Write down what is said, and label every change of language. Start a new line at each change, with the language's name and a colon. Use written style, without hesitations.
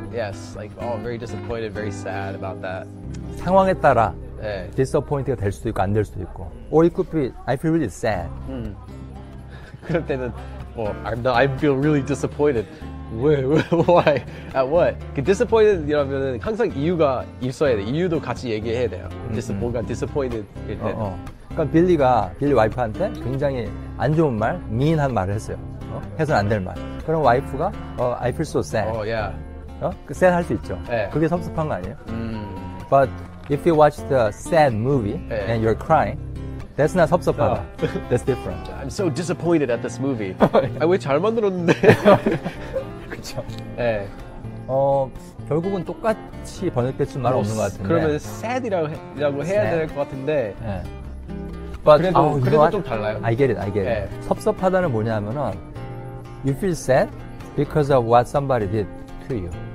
English: Yes, like, oh, very disappointed, very sad about that.
Korean: 상황에 따라 yeah. disappointed가 될 수도 있고 안 될 수도 있고.
English: Or it could be, I feel really sad. 그럴 때는, well, I'm not, I feel really disappointed.
Korean: Why? At what? 그 disappointed이라면은 항상 이유가 있어야 돼. 이유도 같이 얘기해야 돼요. 뭔가 disappointed일 때. 그러니까 빌리 와이프한테 굉장히 안 좋은 말, 미인한 말을 했어요. 해서는 안 될 말. 그럼 와이프가 I feel so sad.
English: Oh yeah.
Korean: 그 sad 할 수 있죠. 네. 그게 섭섭한 거 아니에요?
English: But if you watch the sad movie 네. and you're crying. That's not 섭섭하다. No. That's different. I'm so disappointed at this movie. 아, 왜 잘 만들었는데?
Korean: 그렇죠. 네. 결국은 똑같이 번역될 수는 말 없는 것 같은데. 그러면 sad이라고 해야 될 것 같은데. 네.
English: But,
Korean: 그래도 좀 달라요.
English: I get it. I get it. 네. 섭섭하다는 뭐냐면 You feel sad because of what somebody did to you.